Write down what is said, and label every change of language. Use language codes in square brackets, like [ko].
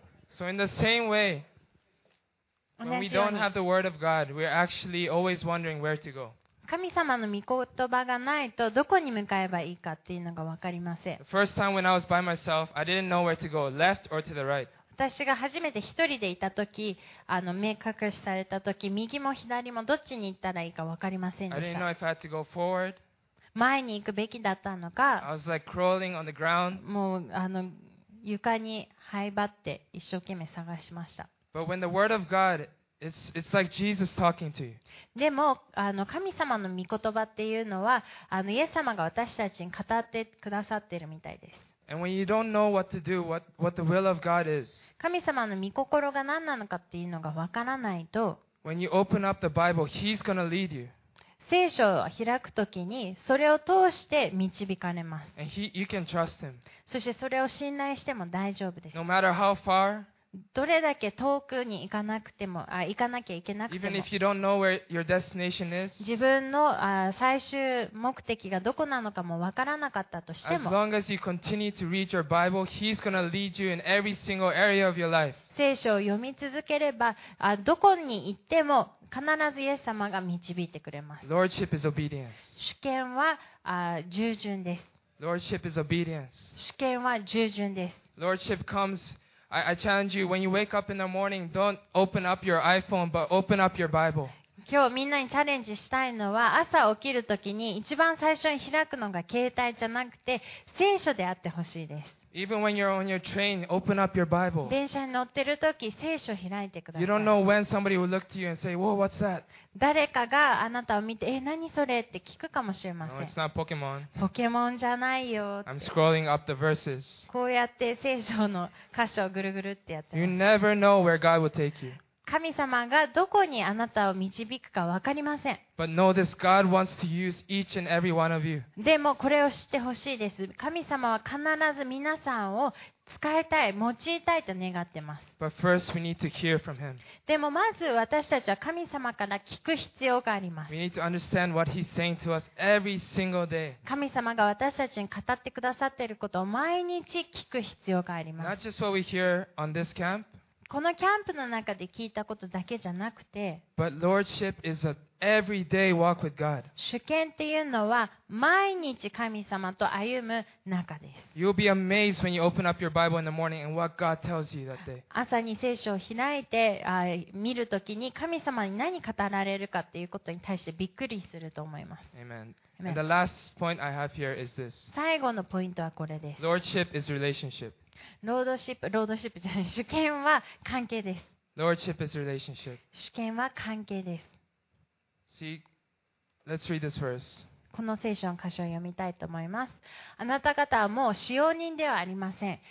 [en] So in the same way, when we don't have the word of God, we're actually always wondering where to go. [ja] 神様の御言葉がないとどこに向かえばいいかっていうのが分かりません。 [en] The first time when I was by myself, I didn't know where to go, left or to the right. [ja] 私が初めて一人でいたとき、目隠しされたとき、右も左もどっちに行ったらいいか分かりませんでした。 [en] I didn't know if I had to go forward. [ja] 前に行くべきだったのか、 [en] I was like crawling on the ground. [ja] もう床に這いばって一生懸命探しました。 [en] But when the word of God... It's like Jesus talking to you. [ja] でも神様の御言葉っていうのはイエス様が私たちに語ってくださってるみたいです。 [en] And when you don't know what to do, what the will of God is, [ja] 神様の御心が何なのかっていうのがわからないと、 [en] When you open up the Bible, He's gonna lead you. [ja] 聖書を開くときにそれを通して導かれます。 [en] And you can trust Him. [ja] そしてそれを信頼しても大丈夫です。 [en] No matter how far. [ja] どれだけ遠くに行かなくても、行かなきゃいけなくても、 [en] Even if you don't know where your destination is, [ja] 自分の最終目的がどこなのかも分からなかったとしても、 [en] As long as you continue to read your Bible, He's gonna lead you in every single area of your life. [ja] 聖書を読み続ければ、どこに行っても必ずイエス様が導いてくれます。 [en] Lordship is obedience. [ja] 主権は従順です。 [en] Lordship is obedience. [ja] 主権は従順です。 [en] Lordship comesI challenge you, when you wake up in the morning, don't open up your iPhone, but open up your Bible. [ja] 今日みんなにチャレンジしたいのは、朝起きるときに一番最初に開くのが携帯じゃなくて、聖書であってほしいです。 [en] Even when you're on your train, open up your Bible. [ja] 電車に乗ってる時、聖書を開いてください。 [en] You don't know when somebody will look to you and say, "Whoa, what's that?" [ja] 誰かがあなたを見て、何それって聞くかもしれません。 [en] No, it's not Pokemon. [ja] ポケモンじゃないよ。 [en] I'm scrolling up the verses. [ja] こうやって聖書の箇所をぐるぐるってやってます。 [en] You never know where God will take you. [ja] 神様がどこにあなたを導くかわかりません。 [en] But know this, God wants to use each and every one of you. [ja] でもこれを知ってほしいです。神様は必ず皆さんを使いたい、用いたいと願ってます。 [en] But first, we need to hear from Him. [ja] でもまず私たちは神様から聞く必要があります。 [en] We need to understand what He's saying to us every single day. [ja] 神様が私たちに語ってくださっていることを毎日聞く必要があります。 [en] Not just what we hear on this camp. [ja] このキャンプの中で聞いたことだけじゃなくて、 [en] But Lordship is an everyday walk with God. [ja] 主権っていうのは毎日神様と歩む中です。 [en] You'll be amazed when you open up your Bible in the morning and what God tells you that day. [ja] 朝に聖書を開いて見るときに神様に何語られるかっていうことに対してびっくりすると思います。 [en] Amen. And the last point I have here is this. [ja] 最後のポイントはこれです。 [en] Lordship is relationship. [ja] ロードシップじゃない、主権は関係です。 [en] Lordship is relationship. [ja] 主権は関係です。 [en] See, let's read this verse. [ja] この聖書の箇所を読みたいと思います。あなた方はもう使用人ではありません。